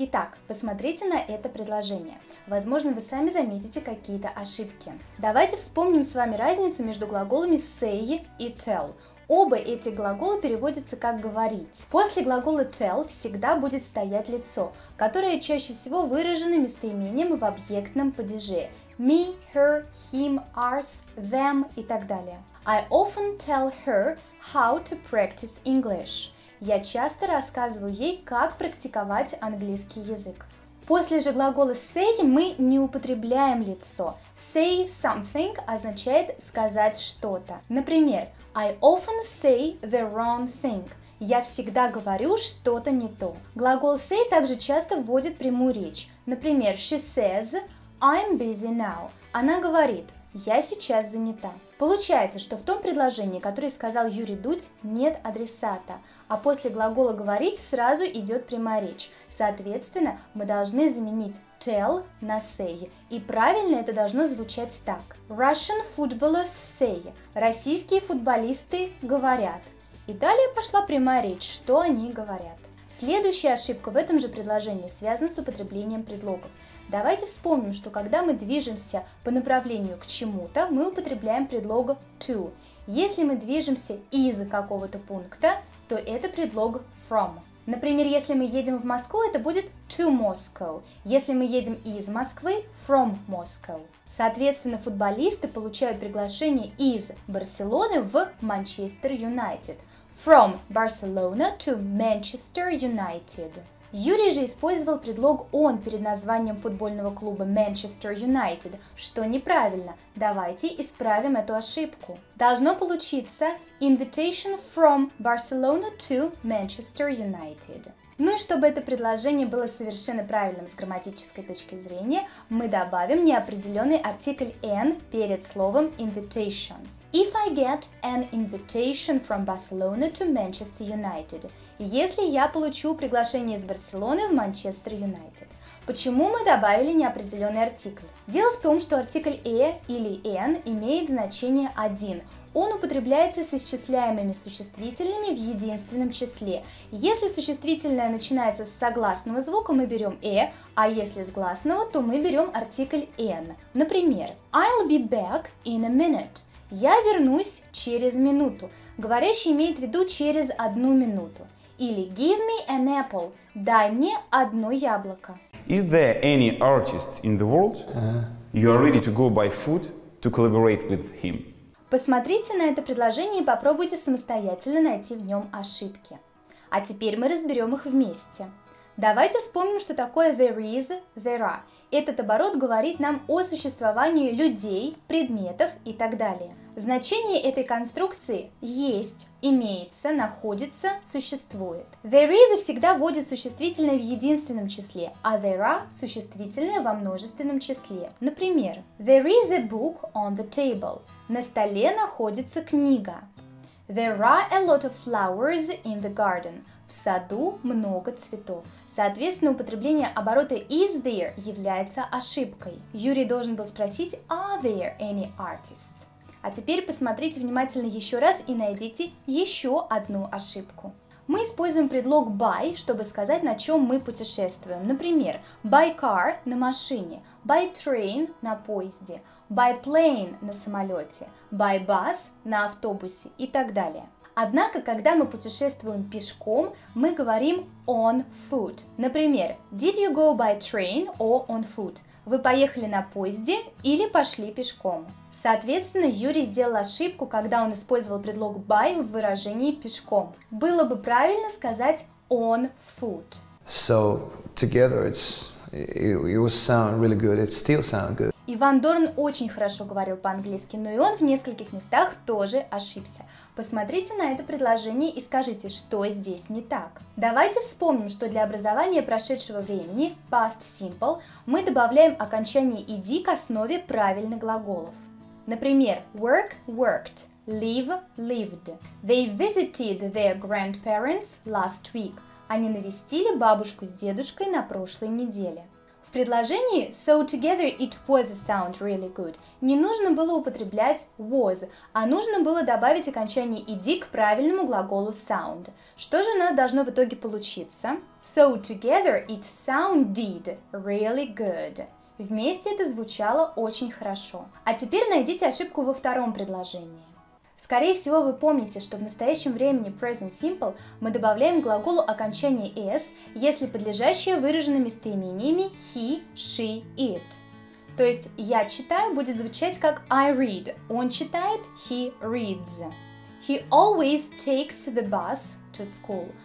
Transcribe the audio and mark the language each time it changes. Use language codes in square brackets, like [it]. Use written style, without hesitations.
[ru] Итак, посмотрите на это предложение. Возможно, вы сами заметите какие-то ошибки. Давайте вспомним с вами разницу между глаголами say и tell. Оба эти глагола переводятся как «говорить». После глагола tell всегда будет стоять лицо, которое чаще всего выражено местоимением в объектном падеже. [en] Me, her, him, ours, them [ru] и так далее. [en] I often tell her how to practice English. [ru] Я часто рассказываю ей, как практиковать английский язык. После же глагола say мы не употребляем лицо. [en] Say something [ru] означает сказать что-то. Например, [en] I often say the wrong thing. [ru] Я всегда говорю что-то не то. Глагол say также часто вводит прямую речь. Например, [en] she says, I'm busy now. [ru] Она говорит, я сейчас занята. Получается, что в том предложении, которое сказал Юрий Дудь, нет адресата. А после глагола говорить сразу идет прямая речь. Соответственно, мы должны заменить tell на say. И правильно это должно звучать так. [en] Russian footballers say. [ru] Российские футболисты говорят. И далее пошла прямая речь, что они говорят. Следующая ошибка в этом же предложении связана с употреблением предлогов. Давайте вспомним, что когда мы движемся по направлению к чему-то, мы употребляем предлог to. Если мы движемся из какого-то пункта, то это предлог from. Например, если мы едем в Москву, это будет [en] to Moscow. [ru] Если мы едем из Москвы, [en] from Moscow. [ru] Соответственно, футболисты получают приглашение из Барселоны в Manchester United. [en] From Barcelona to Manchester United. [ru] Юрий же использовал предлог on перед названием футбольного клуба Manchester United, что неправильно. Давайте исправим эту ошибку. Должно получиться [en] invitation from Barcelona to Manchester United. [ru] Ну и чтобы это предложение было совершенно правильным с грамматической точки зрения, мы добавим неопределенный артикль n перед словом invitation. [en] If I get an invitation from Barcelona to Manchester United. [ru] Если я получу приглашение из Барселоны в Manchester United. Почему мы добавили неопределенный артикль? Дело в том, что артикль e или n имеет значение один. Он употребляется с исчисляемыми существительными в единственном числе. Если существительное начинается с согласного звука, мы берем e, а если с гласного, то мы берем артикль n. Например, [en] I'll be back in a minute. [ru] Я вернусь через минуту. Говорящий имеет в виду через одну минуту. Или [en] give me an apple. [ru] Дай мне одно яблоко. [en] Is there any artist in the world? You are ready to go by foot to collaborate with him. [ru] Посмотрите на это предложение и попробуйте самостоятельно найти в нем ошибки. А теперь мы разберем их вместе. Давайте вспомним, что такое there is, there are. Этот оборот говорит нам о существовании людей, предметов и так далее. Значение этой конструкции есть, имеется, находится, существует. There is всегда вводит существительное в единственном числе, а there are существительное во множественном числе. Например, [en] there is a book on the table. [ru] На столе находится книга. [en] There are a lot of flowers in the garden. [ru] В саду много цветов. Соответственно, употребление оборота is there является ошибкой. Юрий должен был спросить, [en] are there any artists? [ru] А теперь посмотрите внимательно еще раз и найдите еще одну ошибку. Мы используем предлог by, чтобы сказать, на чем мы путешествуем. Например, [en] by car [ru] – на машине, [en] by train [ru] – на поезде, [en] by plane [ru] – на самолете, [en] by bus [ru] – на автобусе и так далее. Однако, когда мы путешествуем пешком, мы говорим [en] on foot. [ru] Например, [en] did you go by train or on foot? [ru] Вы поехали на поезде или пошли пешком? Соответственно, Юрий сделал ошибку, когда он использовал предлог by в выражении пешком. Было бы правильно сказать [en] on foot. So, together it's, it will sound really good, it still sounds good. [ru] Иван Дорн очень хорошо говорил по-английски, но и он в нескольких местах тоже ошибся. Посмотрите на это предложение и скажите, что здесь не так. Давайте вспомним, что для образования прошедшего времени, past simple, мы добавляем окончание -ed к основе правильных глаголов. Например, [en] work – worked, live – lived. They visited their grandparents last week. [ru] Они навестили бабушку с дедушкой на прошлой неделе. В предложении [en] «So together it was a sound really good» [ru] не нужно было употреблять «was», а нужно было добавить окончание «ed» к правильному глаголу «sound». Что же у нас должно в итоге получиться? [en] «So together it sounded really good». [ru] Вместе это звучало очень хорошо. А теперь найдите ошибку во втором предложении. Скорее всего, вы помните, что в настоящем времени present simple мы добавляем к глаголу окончание s, если подлежащее выражено местоимениями he, she, it. То есть «я читаю» будет звучать как [en] I read, [ru] он читает – [en] he reads. He always takes the bus to school.